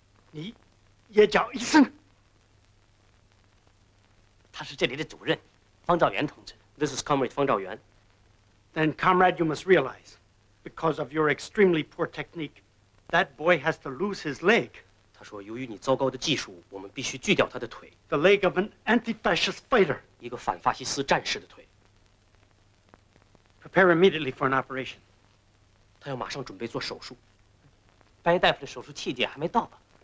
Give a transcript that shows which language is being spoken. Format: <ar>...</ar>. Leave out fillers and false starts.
<zh>你也叫医生？他是这里的主任，方兆元同志。</zh> <en>This is Comrade 方兆元。 Then, Comrade, you must realize. Because of your extremely poor technique, that boy has to lose his leg.</en> <zh>他说：“由于你糟糕的技术，我们必须锯掉他的腿。”</zh> <en>The leg of an anti-fascist fighter.</en> <zh>一个反法西斯战士的腿。</zh> <en>Prepare immediately for an operation.</en> <zh>他要马上准备做手术。白大夫的手术器械还没到吧？</zh>